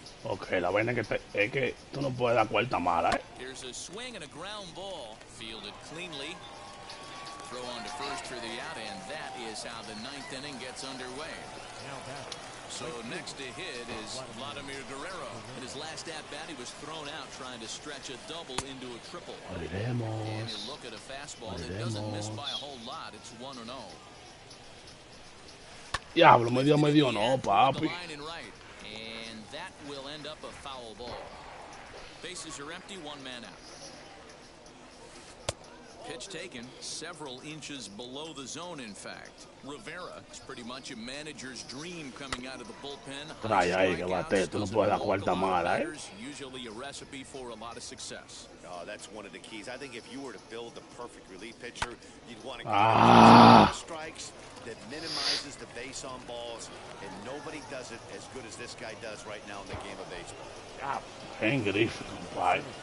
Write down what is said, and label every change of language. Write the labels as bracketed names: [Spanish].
[Spanish] Okay, la vaina es que tú no puedes dar cuarta mala, eh. [English] Here's a swing and a ground ball, fielded cleanly. Throw on to first for the out, and that is how the ninth inning gets underway. So next to hit is Vladimir Guerrero. In his last at-bat, he was thrown out trying to stretch a double into a triple. [Spanish] Moriremos. [English] And a look at a fastball that doesn't miss by a whole lot. It's 1-0. [Spanish] Diablo, medio, no, papi. [English] And that will end up a foul ball. Bases are empty, one man out. Pitch taken, several inches below the zone, in fact. Rivera is pretty much a manager's dream coming out of the bullpen. [Spanish] Trae ahí, que bate, tú no puedes dar cuarta mala, eh. [English] Usually a recipe for a lot of success. Oh, that's one of the keys. I think if you were to build the perfect relief pitcher, you'd want to get some strikes that minimizes the base on balls, and nobody does it as good as this guy does right now in the game of baseball. Ah, angry, bye.